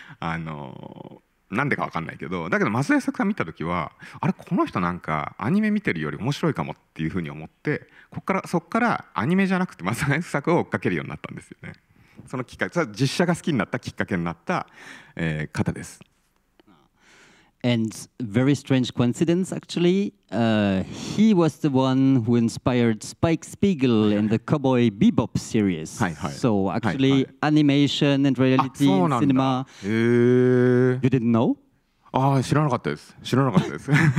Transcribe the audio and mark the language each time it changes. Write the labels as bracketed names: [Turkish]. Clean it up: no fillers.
[Japanese] あのなんでか分かんないけど、だけど松田優作さん見た時はあれこの人なんかアニメ見てるより面白いかもっていうふうに思って、そっからアニメじゃなくて松田優作を追っかけるようになったんですよね。そのきっかけ、それは実写が好きになったきっかけになった、方です。 [English] And very strange coincidence actually、he was the one who inspired Spike Spiegel in the Cowboy Bebop series. [Japanese] はい、はい、 [English] so actually、 [Japanese] はい、はい、 [English] animation and reality in cinema、You didn't know? [Japanese] あ、知らなかったです、知らなかったです。